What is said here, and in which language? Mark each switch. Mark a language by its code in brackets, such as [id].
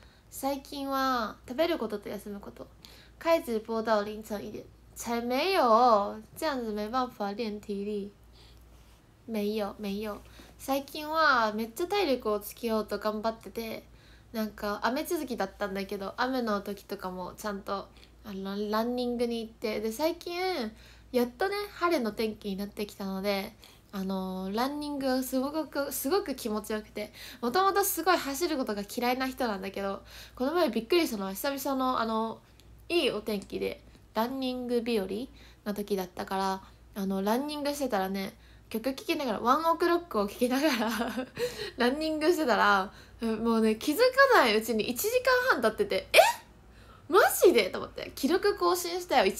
[ja] 最近は食べることと休むこと。 [zh] 開直播到凌晨一点。才没有，这样子没办法练体力。没有。 [ja] 最近はめっちゃ体力をつけようと頑張ってて、なんか雨続きだったんだけど、雨の時とかもちゃんとランニングに行って、で最近やっとね晴れの天気になってきたので、ランニングすごく気持ちよくて、もともとすごい走ることが嫌いな人なんだけど、この前びっくりしたのは久々のいいお天気でランニング日和の時だったから、ランニングしてたらね、曲聴きながらワンオクロックを聴きながらランニングしてたら、もうね気づかないうちに1時間半経ってて、えマジでと思って、記録更新したよ。